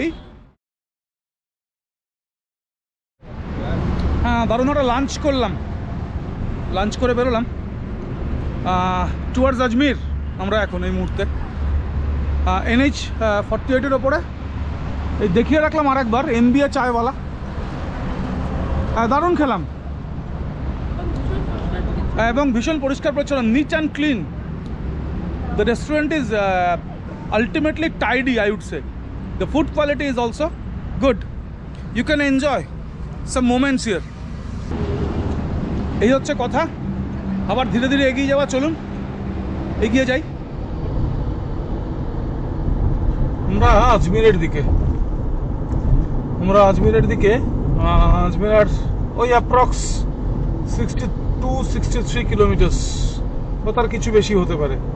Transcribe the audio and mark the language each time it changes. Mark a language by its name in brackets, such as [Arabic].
[Bangla] এই হ্যাঁ দারুণ একটা লাঞ্চ করলাম, লাঞ্চ করে বেরোলাম টুয়ার্ডস আজমির। আমরা এখন এই মুহূর্তে NH-48-এর ওপরে, এই দেখিয়ে রাখলাম আরেকবার MBA চায়ওয়ালা। হ্যাঁ দারুণ খেলাম এবং ভীষণ পরিষ্কার পরিচ্ছন্ন, [English] Neat and clean. The restaurant is ultimately tidy, I would say. The food quality is also good. You can enjoy some moments here. [Bangla] এই হচ্ছে কথা। আবার ধীরে ধীরে এগিয়ে যাওয়া, চলুন এগিয়ে যাই আমরা আজমিরের দিকে। আমরা আজমিরের দিকে, আজমিরের ওই অ্যাপ্রক্স 62-63 কিলোমিটার বা তার কিছু বেশি হতে পারে।